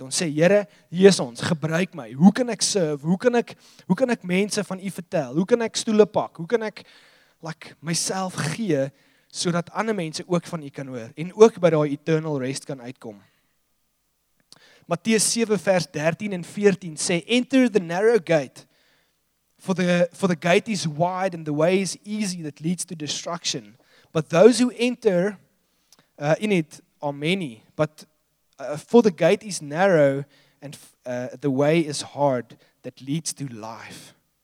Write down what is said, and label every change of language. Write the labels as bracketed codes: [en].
[af] Ons sê, Here, hier is ons, gebruik my. Hoe kan ek serve? Hoe kan ek mense van u vertel? Hoe kan ek stoele pak? Hoe kan ek like myself gee, sodat ander mense ook van u kan hoor, en ook by daai [en] eternal rest [af] kan uitkom? Matteus 7 vers 13 en 14 sê, [en] enter the narrow gate, for the gate is wide and the way is easy that leads to destruction. But those who enter in it are many. But for the gate is narrow and the way is hard that leads to life.